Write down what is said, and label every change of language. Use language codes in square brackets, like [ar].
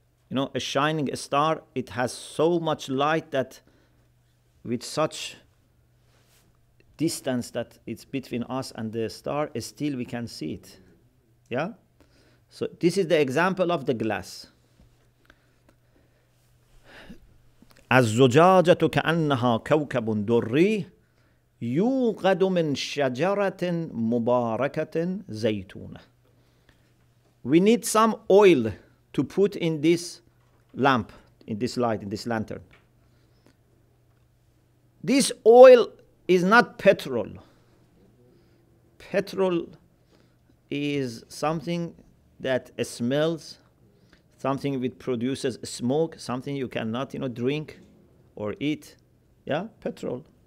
[en] You know, a shining star, it has so much light that with such distance that it's between us and the star, still we can see it. Yeah? So this is the example of the glass. [ar] الزجاجة كأنها كوكب دري يوقد من شجرة مباركة زيتونة. [en] We need some oil to put in this lamp, in this light, in this lantern. This oil is not petrol. Petrol is something that smells, something which produces smoke, something you cannot, you know, drink or eat. Yeah, petrol.